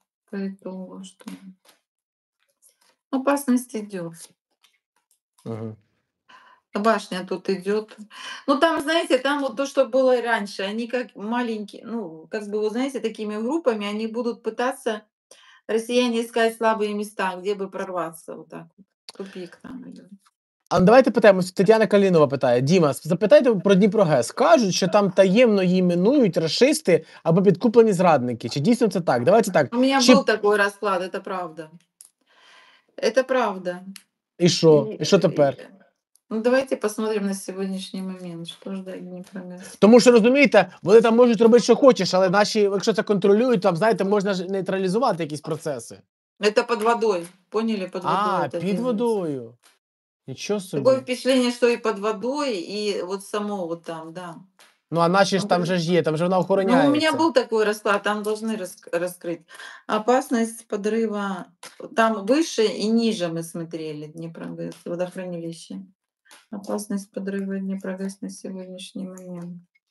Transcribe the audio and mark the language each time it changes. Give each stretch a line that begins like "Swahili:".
Russian: Поэтому что опасность идет. Башня тут идет. Ну там, знаете, там вот то, что было раньше, они как маленькие, ну, как бы, вы знаете, такими группами они будут пытаться россияне искать слабые места, где бы прорваться. Вот так вот. Тупик там идет.
Ukrainian: А давайте питаємось, Тетяна Калінова питає. Діма, запитайте про Дніпро ГЕС. Кажуть, що там таємно її минують рашисти або підкуплені зрадники. Чи дійсно це так? Давайте так. У мене чи... був такий розклад, це правда. Це правда. І що? І що тепер? Ну давайте посмотрим на сьогоднішній момент, що ждать Дніпро ГЕС. Тому що, розумієте, вони там можуть робити, що хочеш, але наші, якщо це контролюють, там, знаєте, можна ж нейтралізувати якісь процеси. Це під водою, поняли? Під водою. А, під водою. Нічого собі.
Russian: Такое впечатление, что и под водой, и вот само вот там, да.
Ukrainian: Ну, а наші ж там же ж є, там же вона охороняється.
Russian: Ну, у меня был такой расклад, там должны раскрыть. Опасность подрыва, там выше и ниже мы смотрели Днепрогресс, водохранилище. Опасность подрыва Днепрогресс на сегодняшний момент.